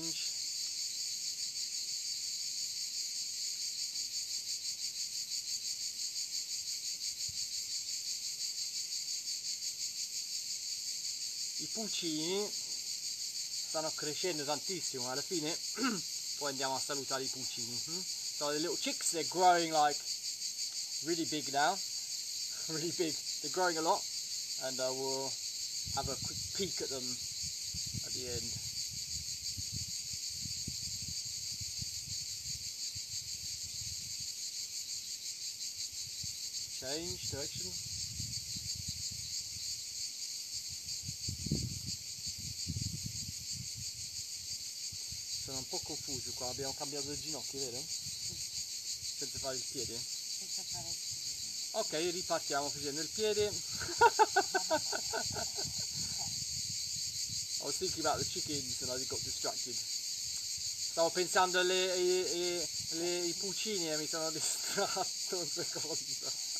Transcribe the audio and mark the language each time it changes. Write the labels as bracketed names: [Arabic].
[Italian] I pulcini stanno crescendo tantissimo, alla fine poi andiamo a salutare i pulcini. [English] So the little chicks, they're growing like really big now, really big, they're growing a lot, and we'll have a quick peek at them at the end. Change direction. [Italian] Sono un po' confuso qua, abbiamo cambiato le ginocchia, vero? Senza fare il piede? Senza fare il piede. Ok, ripartiamo così nel piede. [English] I was thinking about the chickens and I got distracted. [Italian] Stavo pensando alle i pulcini e mi sono distratto un secondo.